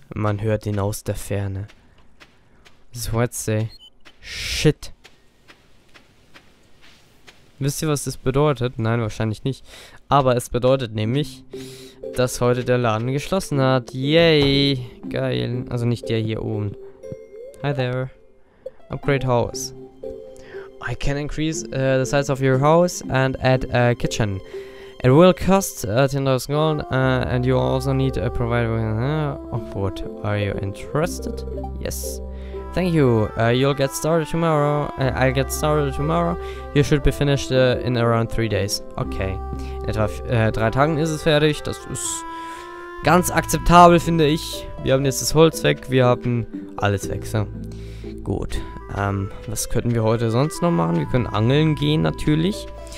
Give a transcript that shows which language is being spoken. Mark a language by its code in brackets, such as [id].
[de] Man hört ihn aus der Ferne. Sweatsey. Shit. Wisst ihr, was das bedeutet? Nein, wahrscheinlich nicht. Aber es bedeutet nämlich, dass heute der Laden geschlossen hat. Yay. Geil. Also nicht der hier oben. [en] Hi there. Upgrade house. I can increase the size of your house and add a kitchen. It will cost $10,000 gold, and you also need a provider of wood. Are you interested? Yes. Thank you. You'll get started tomorrow. I'll get started tomorrow. You should be finished in around 3 days. Okay. [de] In etwa 3 Tagen ist es fertig. Das ist ganz akzeptabel, finde ich. Wir haben jetzt das Holz weg. Wir haben alles weg. So. Gut. Was könnten wir heute sonst noch machen? Wir können angeln gehen, natürlich.